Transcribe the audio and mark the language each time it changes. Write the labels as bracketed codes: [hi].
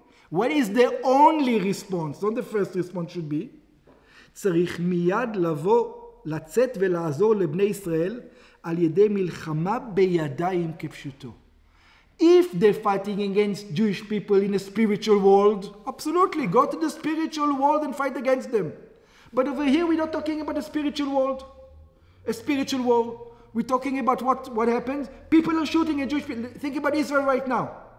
[en] What is the only response? Not the first response should be. [he] צריך מיד לבוא, לצאת ולעזור לבני ישראל על ידי מלחמה בידיים כפשוטו. [en] If they're fighting against Jewish people in a spiritual world, absolutely, go to the spiritual world and fight against them. But over here we're not talking about a spiritual world. A spiritual war. We're talking about what happens. People are shooting at Jewish people. Think about Israel right now.